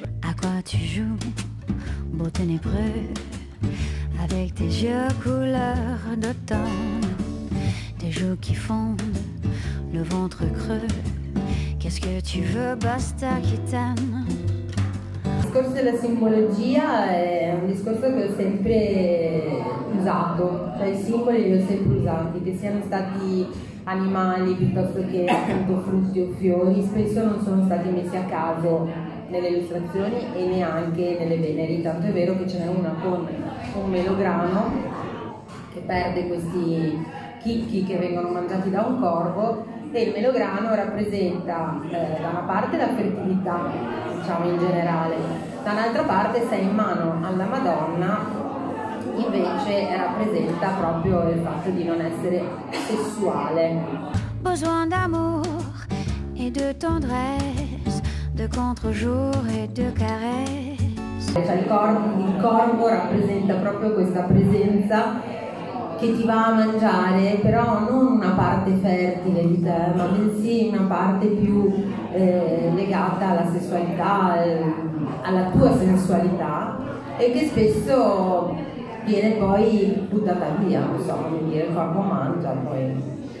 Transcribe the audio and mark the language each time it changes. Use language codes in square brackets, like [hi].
[fr] À quoi tu joues, beau ténébreux, avec tes yeux couleurs d'automne, tes joues qui fondent, le ventre creux, qu'est-ce que tu veux, basta qui t'aime. [it] Il discorso della simbologia è un discorso che ho sempre usato, cioè i simboli li ho sempre usati, che siano stati animali piuttosto che appunto frutti o fiori, spesso non sono stati messi a caso nelle illustrazioni e neanche nelle veneri, tanto è vero che ce n'è una con un melograno che perde questi chicchi che vengono mangiati da un corvo, e il melograno rappresenta da una parte la fertilità, diciamo in generale, dall'altra parte se è in mano alla Madonna invece rappresenta proprio il fatto di non essere sessuale. [fr] Besoin d'amour e de tendresse, de contre-jour e de caresse. [it] Cioè il corvo rappresenta proprio questa presenza che ti va a mangiare, però non una parte fertile di te, ma bensì una parte più legata alla sessualità, alla tua sensualità, e che spesso viene poi buttata via, non so, quindi il corpo mangia poi.